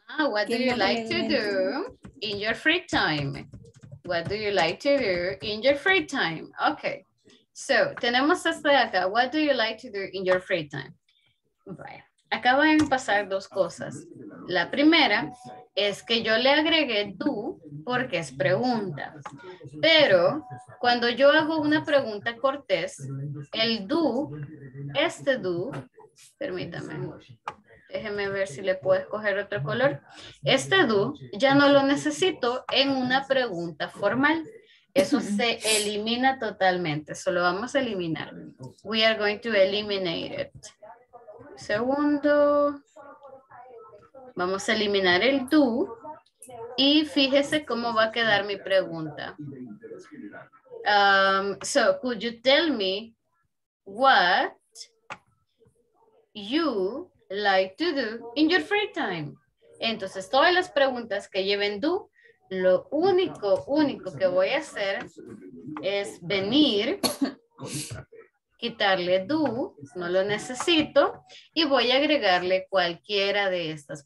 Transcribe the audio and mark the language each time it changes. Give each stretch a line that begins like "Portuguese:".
English: What do you like to do in your free time? What do you like to do in your free time? Okay. So,
Spanish: tenemos esta de acá.
English: What do you like to do in your free time?
Spanish: Acaban de pasar dos cosas. La primera es que yo le agregué do porque es pregunta. Pero cuando yo hago una pregunta cortés, el do, este do, permítame, déjeme ver si le puedo escoger otro color, este do ya no lo necesito en una pregunta formal. Eso se elimina totalmente. Solo vamos a eliminar.
English: We are going to eliminate it. Segundo.
Spanish: Vamos a eliminar el do. Y fíjese cómo va a quedar mi pregunta.
English: So, could you tell me what you like to do in your free time?
Spanish: Entonces, todas las preguntas que lleven do, lo único, único que voy a hacer es venir, quitarle do, no lo necesito, y voy a agregarle cualquiera de estas.